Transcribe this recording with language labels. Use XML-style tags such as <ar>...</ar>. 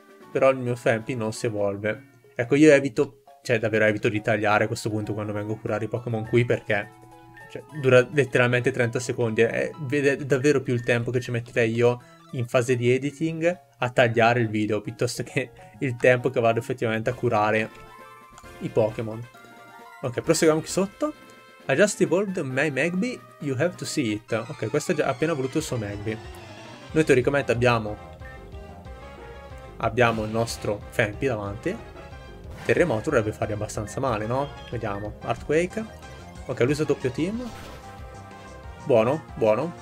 <it>Però il mio Fempi non si evolve. Ecco, io evito, cioè davvero evito di tagliare a questo punto quando vengo a curare i Pokémon qui, perché cioè, dura letteralmente 30 secondi. È davvero più il tempo che ci metterei io in fase di editing a tagliare il video, piuttosto che il tempo che vado effettivamente a curare i Pokémon. Ok, proseguiamo qui sotto.</it> <en>I just evolved my Magby, you have to see it.</en> <it>Ok, questo ha già appena evoluto il suo Magby. Noi teoricamente abbiamo il nostro Fempi davanti. Terremoto dovrebbe fargli abbastanza male, no? Vediamo. Earthquake. Ok, lui usa doppio team. Buono, buono.</it>